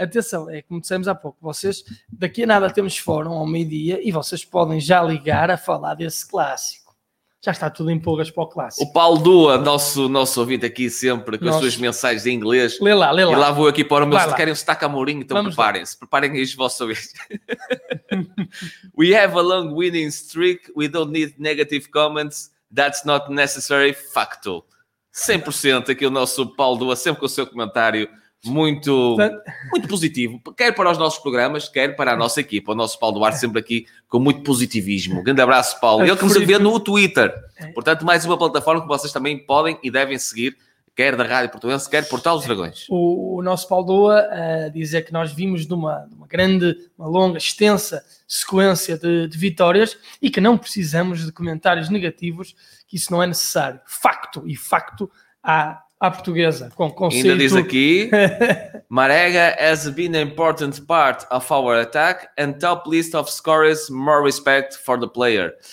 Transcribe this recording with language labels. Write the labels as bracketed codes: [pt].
[pt] Atenção, é como dissemos há pouco, vocês, daqui a nada temos fórum ao meio-dia e vocês podem já ligar a falar desse clássico. Já está tudo em pulgas para o clássico. O Paulo Dua, nosso ouvinte aqui sempre, com as suas mensagens em inglês. Lê lá, lê lá. E lá vou aqui para o meu, se querem um sotaque amorinho, então preparem-se. Preparem aí os vossos ouvintes. [en] We have a long winning streak, we don't need negative comments, that's not necessary, facto. [pt] 100% aqui o nosso Paulo Dua, sempre com o seu comentário muito, muito positivo, quer para os nossos programas, quer para a nossa equipa. O nosso Paulo Duarte sempre aqui com muito positivismo. Grande abraço, Paulo. Ele que nos vê no Twitter. Portanto, mais uma plataforma que vocês também podem e devem seguir, quer da Rádio Portuense, quer Portal dos Dragões. O nosso Paulo Dua diz é que nós vimos numa grande, uma longa, extensa sequência de vitórias e que não precisamos de comentários negativos, que isso não é necessário. Facto, e facto à portuguesa, com conceito. Ainda diz aqui, [en] Marega has been an important part of our attack and top list of scorers, more respect for the player.